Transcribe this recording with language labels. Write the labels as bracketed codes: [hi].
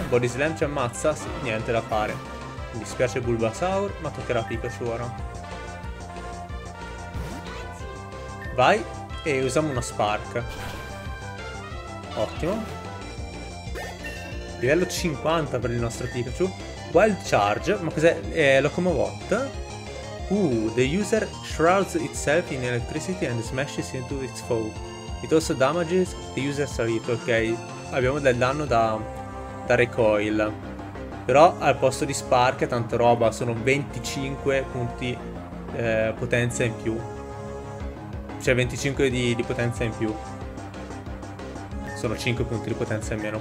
[it] Body Slam ci ammazza. Sì, niente da fare. Mi dispiace Bulbasaur, ma toccherà Pikachu ora. Vai e usiamo uno Spark. Ottimo. Livello 50 per il nostro Pikachu. Wild Charge. Ma cos'è? È Locomobot. [en] The user shrouds itself in electricity and smashes into its foe. It also damages the user's vehicle. [it] Ok, abbiamo del danno da recoil. Però al posto di Spark è tanta roba. Sono 25 punti potenza in più. Cioè 25 di potenza in più. Sono 5 punti di potenza in meno.